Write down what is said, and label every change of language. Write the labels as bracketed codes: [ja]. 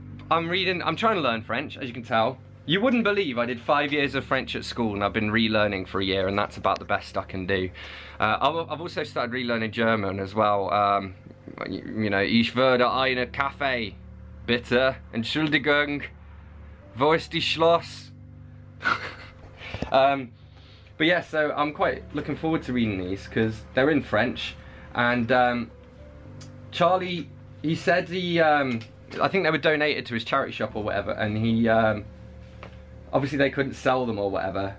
[en] I'm trying to learn French, as you can tell. You wouldn't believe I did 5 years of French at school and I've been relearning for a year, and that's about the best I can do. I've also started relearning German as well. You know, [de] ich würde eine Kaffee. Bitte, Entschuldigung, wo ist die Schloss? [en] But yeah, so I'm quite looking forward to reading these because they're in French. And Charlie, he said he, I think they were donated to his charity shop or whatever, and he, obviously they couldn't sell them or whatever.